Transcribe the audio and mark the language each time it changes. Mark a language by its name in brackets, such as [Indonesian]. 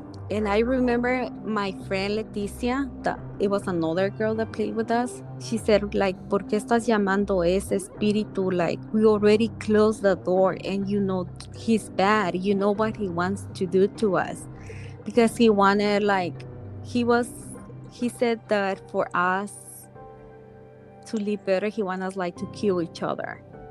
[English] And I remember my friend Leticia, it was another girl that played with us. She said, like, [Spanish] ¿por qué estás llamando ese espíritu? [English] Like, we already closed the door, and you know he's bad. You know what he wants to do to us. Because he wanted, like, he said that for us to live better, he wanted us, like, to kill each other.